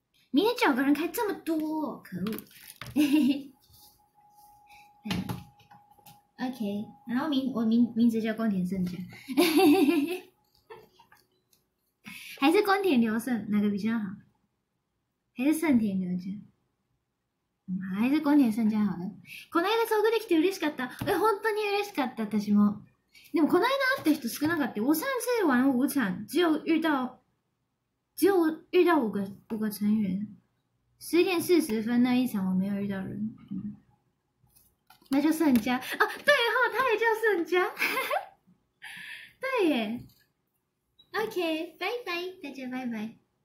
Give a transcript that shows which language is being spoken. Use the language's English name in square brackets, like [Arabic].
[Chinese] 明天叫我个人开这么多，可恶！嘿嘿嘿。OK， 然后我名字叫宫田胜卷，还是宫田流胜哪个比较好？还是胜田流胜？还是宫田胜卷好了。 [Japanese] この間遭遇できて嬉しかった。え本当に嬉しかった私も。でもこの間会った人少なかった。 [Chinese] 我上次玩五场只有遇到五个成员，10:40那一场我没有遇到人，嗯、那就胜家啊，对哈、哦，他也叫胜家，对耶 ，OK， 拜拜，大家拜拜，